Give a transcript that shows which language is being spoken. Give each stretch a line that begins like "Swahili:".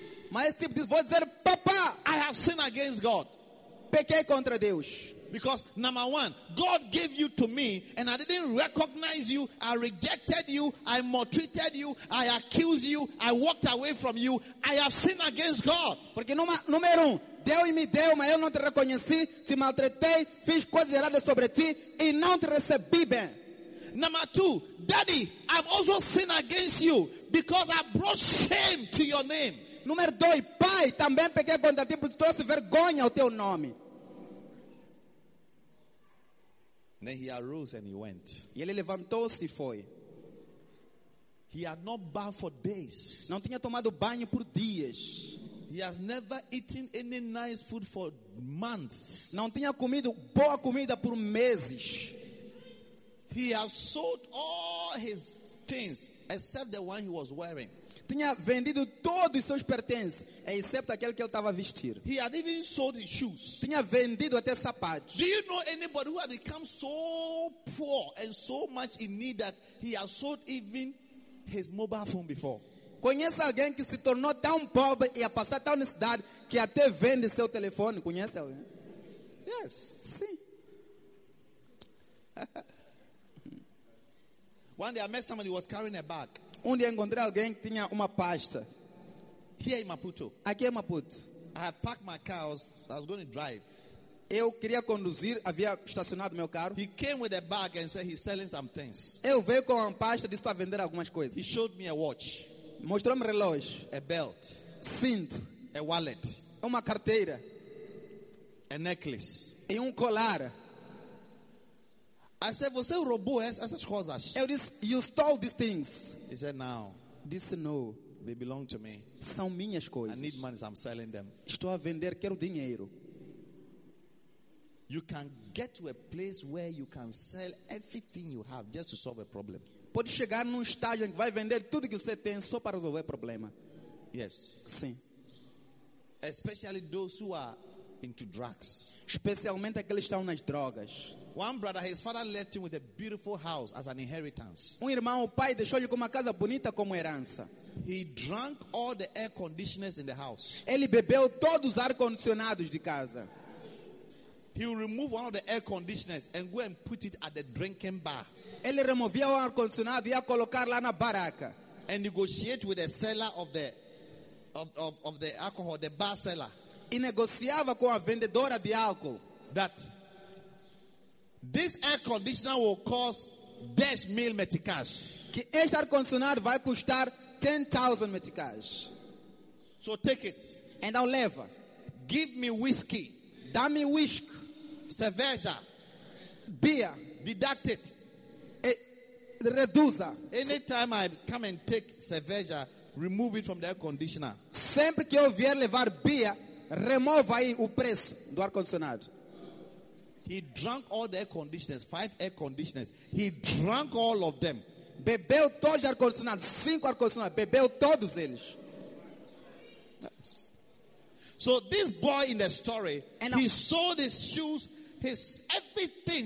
Portuguese: Mas esse tipo disse, vou dizer, papá!
English: I have sinned against God.
Portuguese: Pequei contra Deus.
English: Because, number one, God gave you to me, and I didn't recognize you, I rejected you, I maltreated you, I accused you, I walked away from you, I have sinned against God.
Portuguese: Porque, número um, Deus me deu, mas eu não te reconheci, te maltratei, fiz coisas erradas sobre ti e não te recebi bem.
English: Number two, daddy, I've also sinned against you because I brought shame to your name.
Portuguese: Número dois, pai, também peguei contra ti porque trouxe vergonha ao teu nome.
English: Then he arose and he went.
Portuguese: E ele levantou-se e foi.
English: He had not bathed for days.
Portuguese: Não tinha tomado banho por dias.
English: He has never eaten any nice food for months.
Portuguese: Não tinha comido boa comida por meses.
English: He has sold all his things except the one he was wearing.
Portuguese: Tinha vendido todos os seus pertences, exceto aquele que ele estava a vestir.
English: He had even sold his shoes.
Portuguese: Tinha vendido até sapatos.
English: Do you know anybody who has become so poor and so much in need that he has sold even his mobile phone before?
Portuguese: Conhece alguém que se tornou tão pobre e a passar tão necessidade que até vende seu telefone? Conhece alguém?
English: Yes.
Portuguese: Sim.
English: One day I met somebody who was carrying a bag.
Portuguese: Um dia encontrei alguém que tinha uma pasta.
English: Here in Maputo.
Portuguese: Aqui em Maputo.
English: I had parked my car. I was going to drive.
Portuguese: Eu queria conduzir, havia estacionado meu carro.
English: He came with a bag and said he's selling some things.
Portuguese: Ele veio com uma pasta e disse para vender algumas coisas.
English: He showed me a watch.
Portuguese: Mostrou-me relógio.
English: A belt.
Portuguese: Cinto.
English: A wallet.
Portuguese: Uma carteira.
English: A necklace.
Portuguese: E colar.
English: I said,
Portuguese: você roubou essas coisas? Eu disse,
English: you stole these things. He said, no.
Portuguese: Disse, no.
English: They belong to me.
Portuguese: São minhas coisas.
English: I need money, I'm selling them.
Portuguese: Estou a vender, quero dinheiro.
English: You can get to a place where you can sell everything you have just to solve a problem.
Portuguese: Pode chegar num estágio em que vai vender tudo que você tem só para resolver problema.
English: Yes.
Portuguese: Sim.
English: Especially those who are into drugs.
Portuguese: Especialmente aqueles que estão nas drogas.
English: One brother, his father left him with a beautiful house as an inheritance.
Portuguese: Irmão, o pai deixou-lhe com uma casa bonita como herança.
English: He drank all the air conditioners in the house.
Portuguese: Ele bebeu todos os ar condicionados de casa.
English: He will remove one of the air conditioners and go and put it at the drinking bar.
Portuguese: Ele removia o ar-condicionado e ia colocar lá na baraca.
English: And negotiate with the seller of the alcohol, the bar seller.
Portuguese: E negociava com a vendedora de álcool.
English: That this air conditioner will cost 10 mil meticais.
Portuguese: Que este ar-condicionado vai custar 10,000 meticais.
English: So take it.
Portuguese: Então leva.
English: Give me whiskey.
Portuguese: Dá-me whisky. Cerveja.
English: Beer. Deduct it.
Portuguese: Reduza.
English: Anytime I come and take cerveja, remove it from the air conditioner.
Portuguese: Sempre que eu vier levar beer, remova aí o preço do ar condicionado.
English: He drank all the air conditioners, 5 air conditioners. He drank all of them.
Portuguese: Bebeu todos os ar condicionados, 5 ar condicionados, bebeu todos eles.
English: So this boy in the story, he sold his shoes, his everything.